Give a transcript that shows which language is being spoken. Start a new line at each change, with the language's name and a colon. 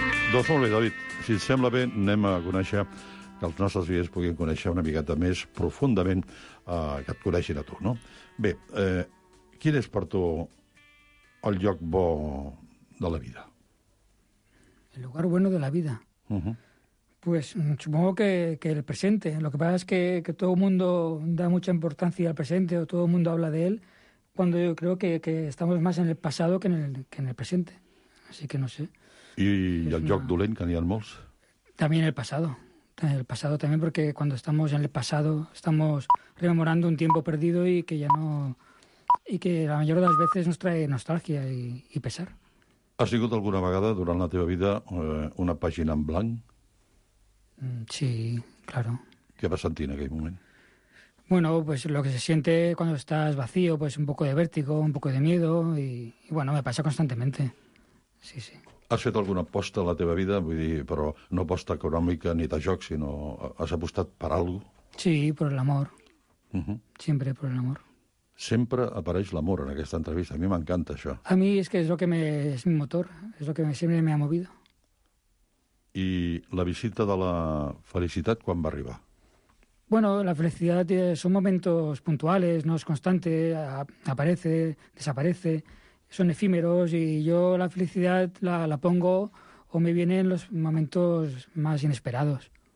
Catalan: Doncs molt bé, David. Si et sembla bé, anem a conèixer, que els nostres oients puguin conèixer una miqueta més profundament, que et coneixin a tu, no? Bé, quin és per tu el lloc bo de la vida?
Spanish: El lugar bueno de la vida. Uh-huh. Pues supongo que el presente. Lo que pasa es que todo el mundo da mucha importancia al presente, o todo el mundo habla de él, cuando yo creo que estamos más en el pasado que en el presente. Así que no sé.
Catalan: I el lloc dolent, que n'hi ha molts?
Spanish: También el pasado. El pasado también, porque cuando estamos en el pasado estamos rememorando un tiempo perdido y que ya no... y que la mayoría de las veces nos trae nostalgia y pesar.
Catalan: ¿Has sigut alguna vegada durant la teva vida una pàgina en blanc?
Spanish: Sí, claro.
Catalan: ¿Qué vas sentir en aquell moment?
Spanish: Bueno, pues lo que se siente cuando estás vacío, pues un poco de vértigo, un poco de miedo, y bueno, me pasa constantemente. Sí, sí.
Catalan: Has fet alguna aposta a la teva vida? Vull dir, però no aposta econòmica ni de joc, sinó has apostat per algo?
Spanish: Sí, por el amor. Siempre por el amor.
Catalan: Sempre apareix l'amor en aquesta entrevista. A mi m'encanta això.
Spanish: A mí es que es lo que me, es mi motor, es lo que me, siempre me ha movido.
Catalan: I la visita de la felicitat quan va arribar?
Spanish: Bueno, la felicidad son momentos puntuales, no es constante, aparece, desaparece, son efímeros y yo la felicidad la pongo o me viene en los momentos más inesperados.